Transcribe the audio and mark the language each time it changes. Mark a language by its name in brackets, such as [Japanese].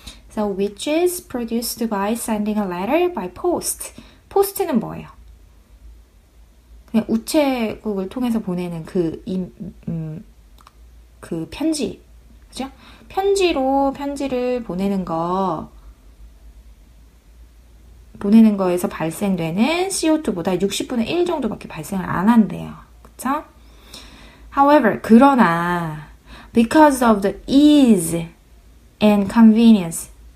[English] So which is produced by sending a letter by post. [Korean] Post는 뭐예요? 그냥 우체국을 통해서 보내는 그 편지. 그죠? 편지로 편지를 보내는 거. 보내는 거에서 발생되는 CO2보다 60분의 1 정도밖에 발생을 안 한대요. 그쵸? [English] However, [Korean] 그러나, [English] because of the ease and convenience.